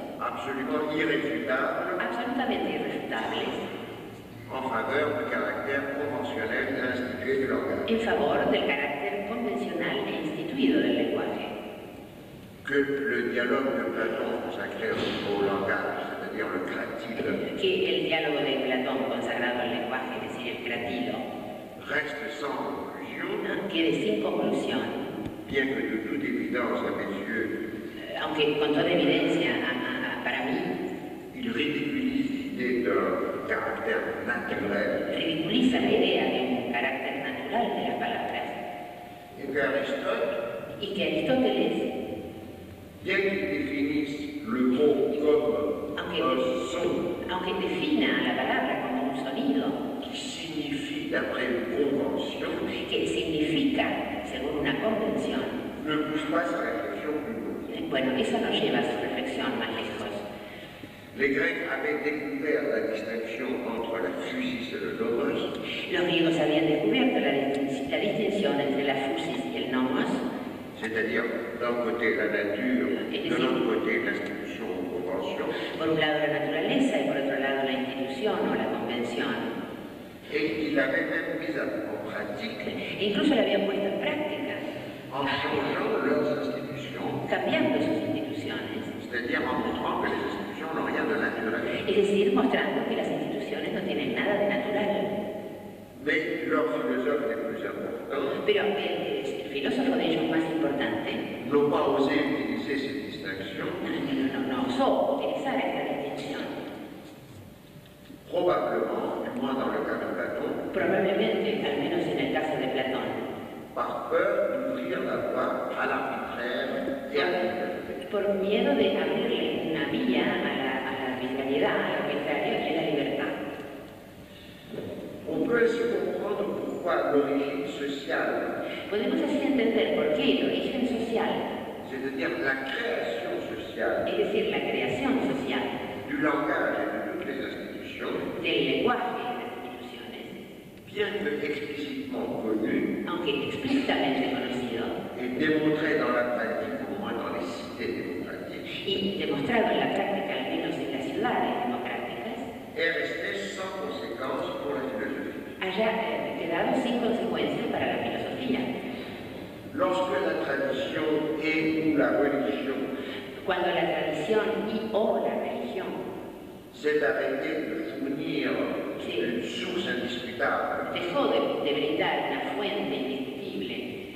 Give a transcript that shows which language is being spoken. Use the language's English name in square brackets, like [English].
[French] Absolument irréfutables. [Spanish] Absolutamente irrefutables. [French] En faveur du caractère conventionnel et institué du langage. [Spanish] En favor del carácter convencional e instituido del lenguaje. [French] Que le dialogue de Platón consacré au langage, c'est-à-dire le cratilo, [Spanish] que el diálogo de Platón consagrado al lenguaje, es decir, el cratilo, [French] reste sans conclusion, [Spanish] quede sin conclusión, [French] bien que de toute évidence à mes yeux, [Spanish] aunque con toda evidencia para mí, [French] il ridiculise l'idée d'un caractère naturel, [Spanish] ridiculiza la idea de un carácter natural de las palabras, [French] et que Aristote, [Spanish] y que Aristóteles, [French] bien qu'il définisse le mot comme un son, [Spanish] aunque defina la palabra como un sonido, [French] qui signifie d'après une convention, [Spanish] que significa según una convención, [French] ne pousse pas sa réflexion plus loin. [Spanish] Bueno, eso nos lleva a su reflexión más lejos. [French] Les Grecs avaient découvert la distinction entre la physis et le nomos. [Spanish] Los griegos habían descubierto la distinción entre la physis y el nomos. [French] C'est-à-dire, d'un côté la nature, de l'autre côté l'institution ou convention. [Spanish] Por un lado la naturaleza y por otro lado la institución o la convención. [French] Et il l'avait même mise en pratique. [Spanish] E incluso la habían puesto en práctica. [French] En changeant leurs institutions. [Spanish] Cambiando sus instituciones. [French] C'est-à-dire en montrant que les institutions n'ont rien de naturel. [Spanish] Es decir, mostrando que las instituciones no tienen nada de natural. [French] Mais leur philosophe n'est plus important. [Spanish] El filósofo de ellos más importante no va a osar utilizar esa distinción. No osó utilizar esta distinción. Probablemente, al menos en el caso de Platón. Probablemente, al menos en el caso de Platón. [French] Par peur d'ouvrir la voie à l'arbitraire et à la liberté. [Spanish] Por miedo de abrirle una vía a la arbitrariedad, al arbitrario y a la libertad. [French] On peut aussi comprendre pourquoi l'origine sociale. [Spanish] Podemos así entender por qué el origen social, [French] c'est-à-dire la création sociale, [Spanish] es decir, la creación social, [French] du langage et de toutes les institutions, [Spanish] del lenguaje y de las instituciones, [French] bien que explícitement connu, [Spanish] aunque explícitamente conocido, [French] et démontré dans la pratique, au moins dans les cités démocratiques, [Spanish] y demostrado en la práctica, al menos en las ciudades democráticas, [French] est resté sans conséquence pour la philosophie. [Spanish] Haya quedado sin consecuencias para la filosofía. [French] Lorsque la tradition et ou la religion, [Spanish] cuando la tradición y o la religión [French] s'est arrêté de fournir une source indiscutable, [Spanish] dejó de brindar una fuente indiscutible